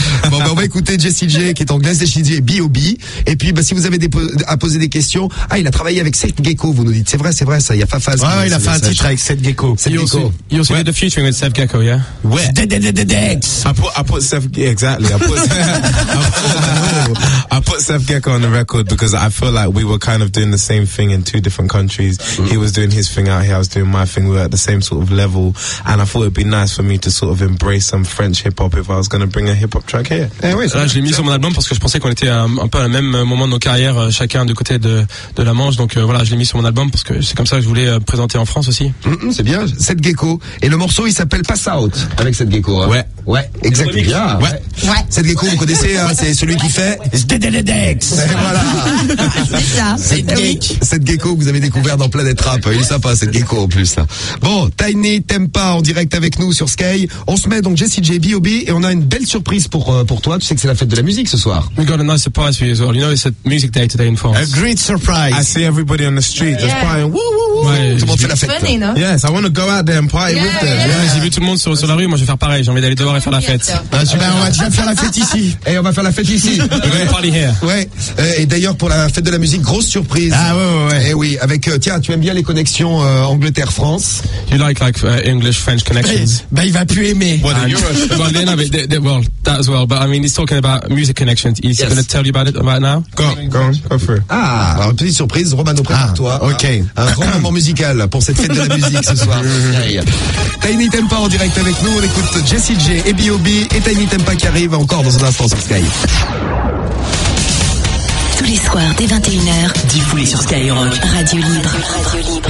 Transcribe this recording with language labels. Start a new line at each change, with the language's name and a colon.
French: Bon, ben, on va écouter Jessie J qui est anglaise et Jessie J est B.O.B. Et puis, ben, si vous avez à poser des questions, ah, il a travaillé avec Seth Gecko, vous nous dites. C'est vrai, ça, il y a Fafaz. Ah, il a fait un titre avec Seth Gecko. Seth Gecko.
English: You also did the featuring with Seth Gecko, yeah?
French: Ouais.
English: I put Seth Gecko, exactly. I put Seth Gecko on the record because I feel like we were kind of doing the same thing in two different countries. He was doing his thing out here, I was doing my thing. We were at the same sort of level. And I thought it'd be nice for me to sort of embrace some French hip hop if I was going to bring a hip hop track here.
French: Eh oui, je l'ai mis sur mon album parce que je pensais qu'on était un peu à le même moment de nos carrières, chacun du côté de la Manche. Donc voilà, je l'ai mis sur mon album parce que c'est comme ça que je voulais présenter en France aussi. C'est bien, Seth Gecko. Et le morceau, il s'appelle Pass Out avec Seth Gecko. Hein. Ouais. Ouais, exactement. Bien. Ouais. Ouais. Seth Gecko, vous connaissez, hein, c'est celui qui fait. Voilà. C'est ça. Seth Gecko, vous avez découvert dans Planète Rap. Il est sympa, Seth Gecko en plus. Bon, Tiny Tempa en direct avec nous sur Sky. On se met donc Jessie J, B.O.B. et on a une belle surprise pour toi. Tu sais que c'est la fête de la musique ce soir.
English: We got a nice surprise for you as well. You know, it's a music day today in France. A great surprise. I see everybody on the street. Yeah. Yes, I want to go out there and party with them. Yeah.
French: Yeah, j'ai vu tout le monde sur la rue. Moi, je vais faire pareil. J'ai envie d'aller dehors et faire la fête. Ah, ben, on va déjà faire la fête ici. Et on va faire la fête ici.
English: Ouais. Party here.
French: Ouais. Et d'ailleurs, pour la fête de la musique, grosse surprise. Ah ouais, ouais. Et oui, avec tiens, tu aimes bien les connexions Angleterre-France.
English: You like English-French connections.
French: Ben, il va plus aimer.
English: Well, then, well, that as well. But I mean, he's talking about music connections. He's going to tell you about it right now. Go for it.
French: Ah, alors, petite surprise, Romano, prépare-toi. Ok. Un grand moment musical pour cette fête de la musique ce soir. Tiny Tempa en direct avec nous, on écoute Jessie J et B.O.B. et Tiny Tempa qui arrive encore dans un instant sur Sky. Tous les soirs dès 21h, Difoulé sur Skyrock, Radio Libre.